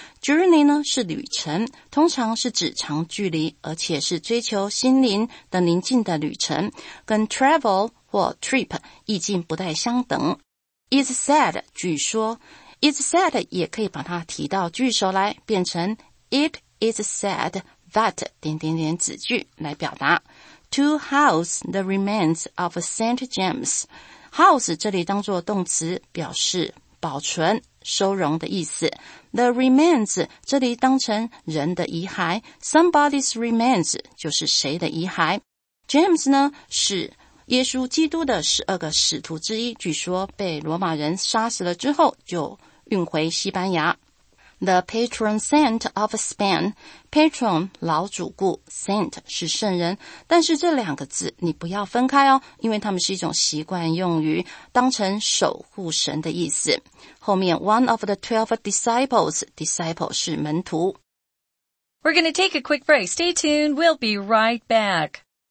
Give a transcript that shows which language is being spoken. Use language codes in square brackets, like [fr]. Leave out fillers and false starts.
[zh] Journey 呢是旅程，通常是指长距离，而且是追求心灵的宁静的旅程，跟 travel 或 trip 意境不太相等。 [en] Is said [zh] 据说 ， [en] is said [zh] 也可以把它提到句首来，变成 [en] it is said that [zh] 点点点子句来表达。 [en] To house the remains of St. James. [zh] House 这里当作动词，表示保存、收容的意思。 [en] The remains [zh] 这里当成人的遗骸， [en] somebody's remains [zh] 就是谁的遗骸。 James 呢是耶稣基督的十二个使徒之一，据说被罗马人杀死了之后就运回西班牙。 [en] The patron saint of Spain, [zh] patron 老主顾 ,saint 是圣人，但是这两个字你不要分开哦，因为他们是一种习惯用于当成守护神的意思。后面 [en] one of the 12 disciples, [zh] disciple 是门徒。 [en] We're gonna take a quick break. Stay tuned, we'll be right back.